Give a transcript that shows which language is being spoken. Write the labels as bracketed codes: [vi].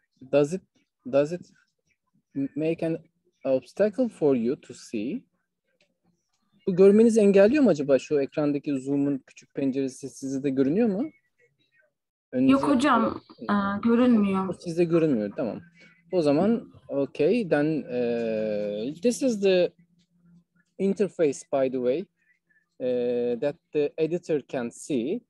[en] Does it make an obstacle for you to see? [tr] Bu görmenizi engelliyor mu acaba, şu ekrandaki zoom'un küçük penceresi sizi de görünüyor mu? Önünüze... Yok hocam, görünmüyor. Sizde görünmüyor, tamam. O zaman [en] okay, then this is the interface, by the way, that the editor can see.